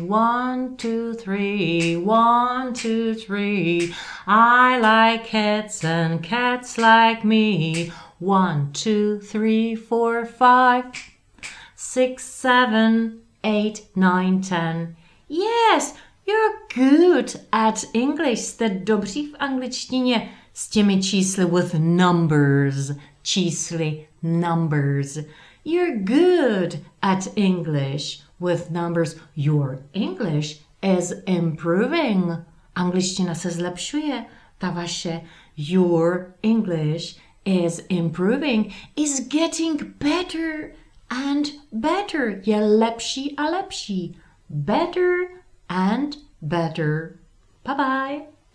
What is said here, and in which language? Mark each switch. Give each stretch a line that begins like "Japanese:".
English: 1, 2, 3, 1, 2, 3. I like cats and cats like me. 1, 2, 3, 4, 5, 6, 7, 8, 9, 10. Yes, you're good at English.
Czech: Jste dobří v angličtině s těmi čísly,
English: with numbers,
Czech: čísly, numbers.
English: You're good at English with numbers. Your English is improving.
Czech: Angličtina se zlepšuje, ta vaše.
English: Your English is improving, is getting better and better.
Czech: Je lepší a lepší.
English: Better and better. Bye-bye.